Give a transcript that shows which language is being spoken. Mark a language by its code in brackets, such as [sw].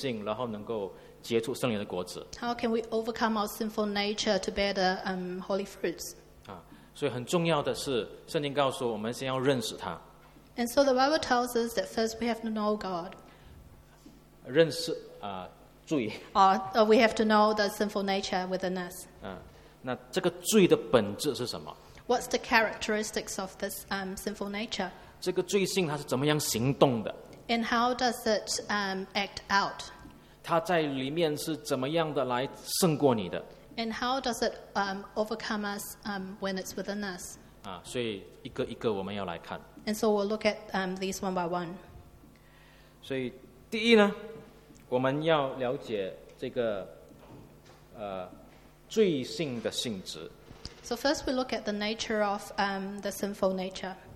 [zh] 怎么样能够胜过这个的罪性，然后能够结出圣灵的果子？ [en] How can we overcome our sinful nature to bear the holy fruits? [zh] 所以很重要的是，圣经告诉我们先要认识他。 [en] And so the Bible tells us that first we have to know God. [zh] 认识罪。 [en] We have to know the sinful nature within us. [zh] 那这个罪的本质是什么？ [en] What's the characteristics of this sinful nature? [zh] 这个罪性它是怎么样行动的？ [en] And how does it act out? [zh] 它在里面是怎么样的来胜过你的？ [en] And how does it overcome us when it's within us? [zh] 所以一个一个我们要来看。 [en] And so we'll look at these one by one. [zh] 所以第一呢，我们要了解这个罪性的性质。 [en] So first we look at the nature of the sinful nature.